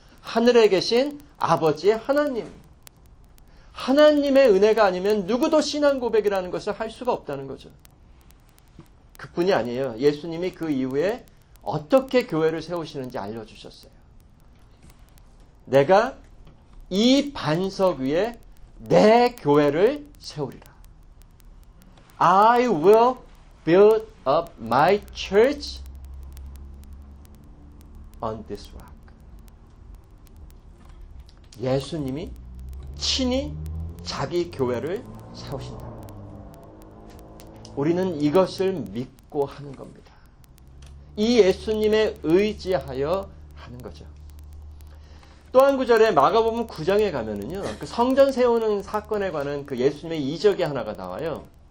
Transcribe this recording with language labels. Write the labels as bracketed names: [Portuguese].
[Korean] 하늘에 계신 아버지 하나님. 하나님의 은혜가 아니면 누구도 신앙 고백이라는 것을 할 수가 없다는 거죠. 그뿐이 아니에요. 예수님이 그 이후에 어떻게 교회를 세우시는지 알려주셨어요. 내가 이 반석 위에 내 교회를 세우리라. [English] I will build up my church on this rock. [Korean] 예수님이 친히 자기 교회를 세우신다. 우리는 이것을 믿고 하는 겁니다. 이 예수님의 의지하여 하는 거죠. 또 한 구절에 마가복음 9장에 가면은요, 그 성전 세우는 사건에 관한 그 예수님의 이적이 하나가 나와요.